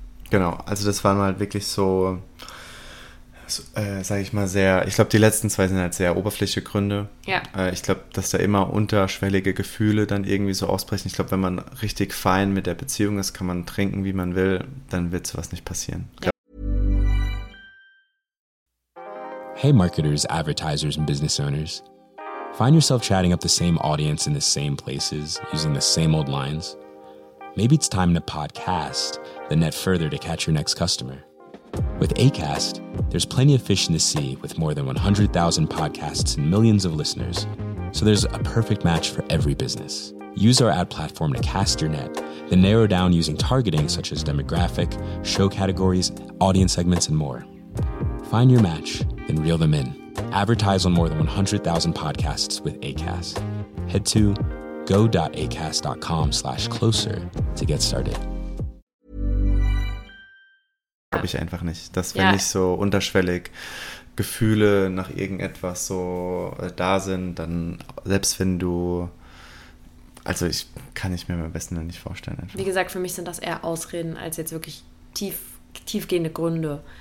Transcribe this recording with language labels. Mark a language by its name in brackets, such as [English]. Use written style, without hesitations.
[German] Genau, also das waren halt wirklich so, sage ich mal, sehr, ich glaube, die letzten zwei sind halt sehr oberflächliche Gründe. Ja. Ich glaube, dass da immer unterschwellige Gefühle dann irgendwie so ausbrechen. Ich glaube, wenn man richtig fein mit der Beziehung ist, kann man trinken, wie man will, dann wird sowas nicht passieren. Ja. [English] Hey Marketers, Advertisers and Business Owners. Find yourself chatting up the same audience in the same places, using the same old lines. Maybe it's time to podcast the net further to catch your next customer. With Acast, there's plenty of fish in the sea with more than 100,000 podcasts and millions of listeners. So there's a perfect match for every business. Use our ad platform to cast your net, then narrow down using targeting such as demographic, show categories, audience segments, and more. Find your match, then reel them in. Advertise on more than 100,000 podcasts with Acast. Head to go.acast.com/closer to get started. [German] Glaube ich einfach nicht. Dass, wenn nicht so unterschwellig Gefühle nach irgendetwas so da sind, dann selbst wenn du. Also, ich kann ich mir am besten nicht vorstellen. Einfach. Wie gesagt, für mich sind das eher Ausreden als jetzt wirklich tiefgehende Gründe.